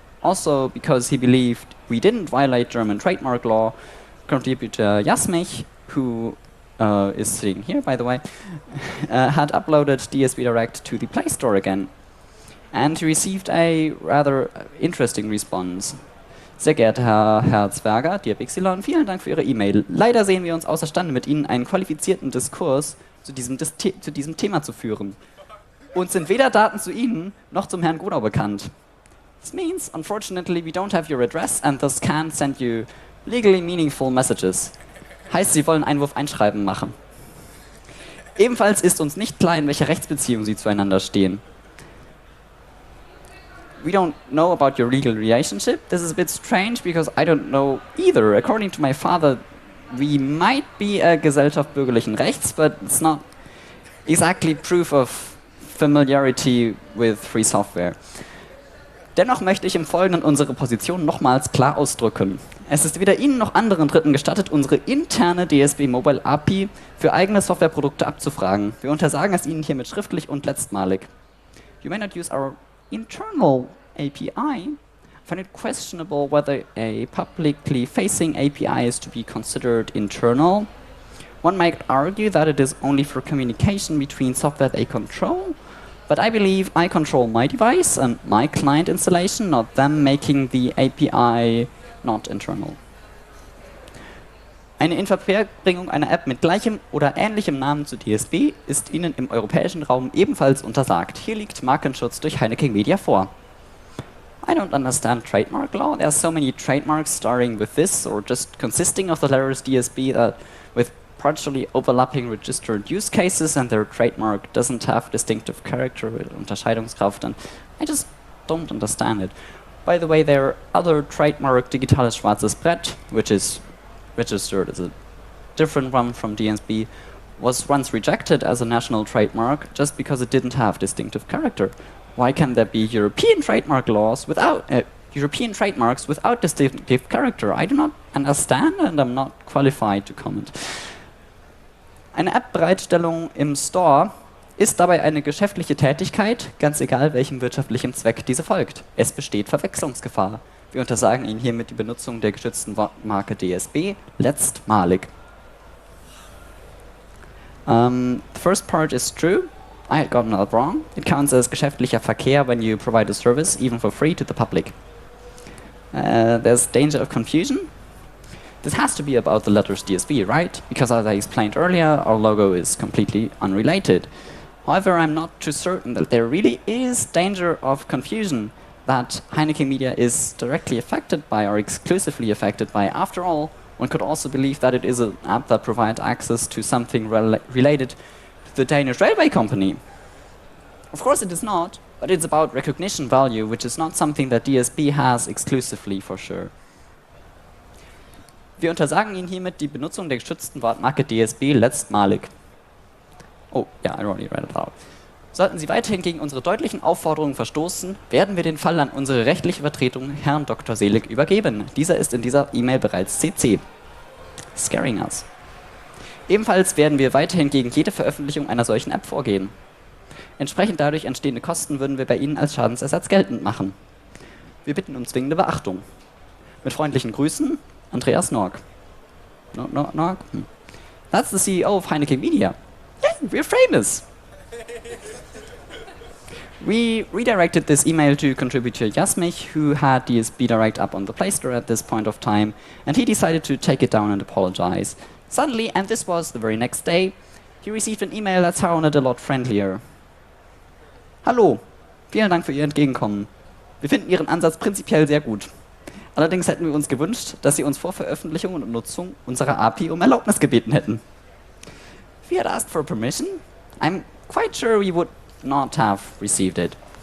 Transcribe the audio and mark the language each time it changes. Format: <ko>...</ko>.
<en>Also because he believed we didn't violate German trademark law, contributor Jasmich, who is sitting here, by the way, had uploaded DSB Direct to the Play Store again. And he received a rather interesting response.</en> <de>Sehr geehrter Herr Herzberger,</de> <en>dear Bixilon,</en> <de>vielen Dank für Ihre E-Mail. Leider sehen wir uns außerstande, mit Ihnen einen qualifizierten Diskurs zu diesem Thema zu führen. Uns sind weder Daten zu Ihnen noch zum Herrn Godau bekannt.</de> <en>This means, unfortunately, we don't have your address and thus can't send you legally meaningful messages.</en> <de>Heißt, Sie wollen Einwurf einschreiben machen. Ebenfalls ist uns nicht klar, in welcher Rechtsbeziehung Sie zueinander stehen.</de> <en>We don't know about your legal relationship. This is a bit strange because I don't know either. According to my father, we might be a</en> <de>Gesellschaft bürgerlichen Rechts,</de> <en>but it's not exactly proof of familiarity with free software.</en> <de>Dennoch möchte ich im Folgenden unsere Position nochmals klar ausdrücken. Es ist weder Ihnen noch anderen Dritten gestattet, unsere interne DSB Mobile API für eigene Softwareprodukte abzufragen. Wir untersagen es Ihnen hiermit schriftlich und letztmalig.</de> <en>You may not use our internal API. I find it questionable whether a publicly facing API is to be considered internal. One might argue that it is only for communication between software they control. But I believe I control my device and my client installation, not them making the API not internal.</en> <de>Eine Inverbringung einer App mit gleichem oder ähnlichem Namen zu DSB ist Ihnen im europäischen Raum ebenfalls untersagt. Hier liegt Markenschutz durch Heineken Media vor.</de> <en>I don't understand trademark law. There are so many trademarks starting with this or just consisting of the letters DSB that with partially overlapping registered use cases and their trademark doesn't have distinctive character with Unterscheidungskraft, and I just don't understand it. By the way, their other trademark, Digitales Schwarzes Brett, which is registered as a different one from DSB, was once rejected as a national trademark just because it didn't have distinctive character. Why can there be European trademark laws without European trademarks without distinctive character? I do not understand and I'm not qualified to comment.</en> <de>Eine App-Bereitstellung im Store ist dabei eine geschäftliche Tätigkeit, ganz egal welchem wirtschaftlichen Zweck diese folgt. Es besteht Verwechslungsgefahr. Wir untersagen Ihnen hiermit die Benutzung der geschützten Marke DSB letztmalig.</de> <en>The first part is true. I had gotten that wrong. It counts as</en> <de>geschäftlicher Verkehr</de> <en>when you provide a service, even for free, to the public. There's danger of confusion. This has to be about the letters DSB, right? Because as I explained earlier, our logo is completely unrelated. However, I'm not too certain that there really is danger of confusion that Heineken Media is directly affected by or exclusively affected by. After all, one could also believe that it is an app that provides access to something related to the Danish Railway Company. Of course it is not, but it's about recognition value, which is not something that DSB has exclusively for sure.</en> <de>Wir untersagen Ihnen hiermit die Benutzung der geschützten Wortmarke DSB letztmalig.</de> <en>Oh, ja, yeah, I already read it out.</en> <de>Sollten Sie weiterhin gegen unsere deutlichen Aufforderungen verstoßen, werden wir den Fall an unsere rechtliche Vertretung, Herrn Dr. Selig, übergeben. Dieser ist in dieser E-Mail bereits CC.</de> <en>Scaring us.</en> <de>Ebenfalls werden wir weiterhin gegen jede Veröffentlichung einer solchen App vorgehen. Entsprechend dadurch entstehende Kosten würden wir bei Ihnen als Schadensersatz geltend machen. Wir bitten um zwingende Beachtung. Mit freundlichen Grüßen. Andreas Nork. Nork? Hm.</de> <en>That's the CEO of Heineken Media. Yeah, we're famous. We redirected this email to contributor Jasmich, who had DSB Direct up on the Play Store at this point of time, and he decided to take it down and apologize. Suddenly, and this was the very next day, he received an email that sounded a lot friendlier.</en> <de>Hallo, vielen Dank für Ihr Entgegenkommen. Wir finden Ihren Ansatz prinzipiell sehr gut. Allerdings hätten wir uns gewünscht, dass Sie uns vor Veröffentlichung und Nutzung unserer API um Erlaubnis gebeten hätten.</de> <en>If we had asked for permission, I'm quite sure we would not have received it.</en>